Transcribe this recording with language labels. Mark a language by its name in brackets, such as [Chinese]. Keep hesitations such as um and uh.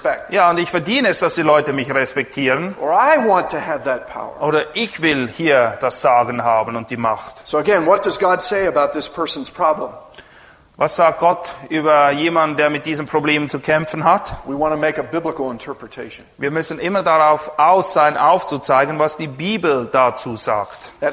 [German] Ja, und ich verdiene es, dass die Leute mich respektieren. Oder ich will hier das Sagen haben und die Macht. [English] So again, what does God say about this person's problem? [German] Was sagt Gott über jemanden, der mit diesen Problemen zu kämpfen hat? Wir müssen immer darauf aus sein, aufzuzeigen, was die Bibel dazu sagt.